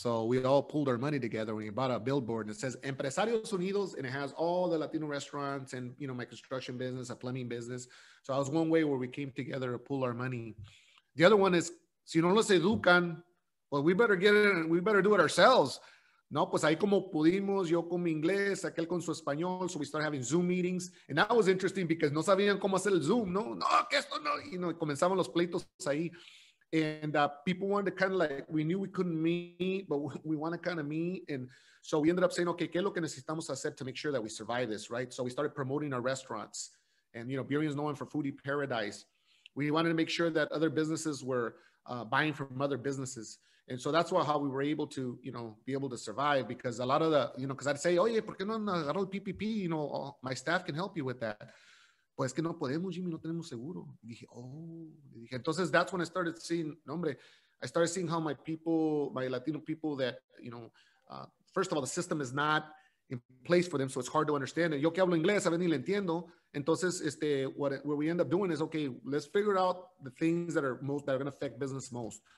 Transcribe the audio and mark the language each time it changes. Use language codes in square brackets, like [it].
[en] So we all pulled our money together and we bought a billboard and it says Empresarios Unidos, and it has all the Latino restaurants and, my construction business, a plumbing business. So that was one way where we came together to pull our money. The other one is, [es] si no los educan, [en] well, we better get it and we better do it ourselves. [es] No, pues ahí como pudimos, yo con mi inglés, aquel con su español. [en] So we started having Zoom meetings. And that was interesting because [es] no sabían cómo hacer el Zoom, no, que esto no, y comenzaban los pleitos ahí. [en] And people wanted to kind of like, we knew we couldn't meet, but we want to kind of meet. And so we ended up saying, okay, [es] ¿qué es lo que necesitamos hacer [en] to make sure that we survive this, right? So we started promoting our restaurants. And, you know, Burien is known for Foodie Paradise. We wanted to make sure that other businesses were buying from other businesses. And so that's how we were able to, you know, be able to survive, because a lot of the, you know, because I'd say, [es] oye, ¿por qué no agarró el PPP? [en] You know, oh, my staff can help you with that. [es] Pues que no podemos, Jimmy, no tenemos seguro. Y dije, oh. Y dije, entonces [en] that's when I started seeing, [es] hombre, [en] I started seeing how my people, my Latino people that, you know, first of all, the system is not in place for them, so it's hard to understand. And [es] yo que hablo inglés, a ver ni le entiendo. Entonces, [en] what we end up doing is, okay, let's figure out the things that are most, that are going to affect business most.